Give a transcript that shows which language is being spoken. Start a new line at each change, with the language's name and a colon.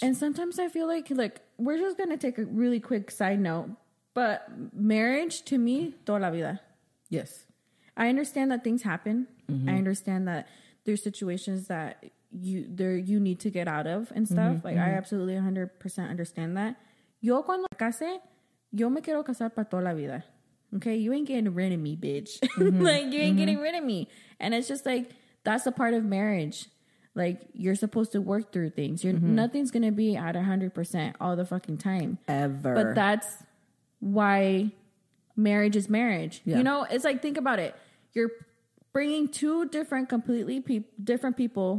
English: And sometimes I feel like we're just going to take a really quick side note. But marriage, to me, toda la vida. Yes. I understand that things happen. Mm-hmm. I understand that there's situations that you need to get out of and stuff. Mm-hmm. Like, mm-hmm. I absolutely 100% understand that.
Spanish: Yo cuando me case, yo me quiero casar para toda la vida.
English: Okay? You ain't getting rid of me, bitch. Mm-hmm. Like, you ain't mm-hmm. getting rid of me. And it's just like, that's a part of marriage. Like, you're supposed to work through things. You're mm-hmm. nothing's going to be at 100% all the fucking time. Ever. But that's why marriage is marriage. Yeah. You know, it's like, think about it. You're bringing two different, completely different people.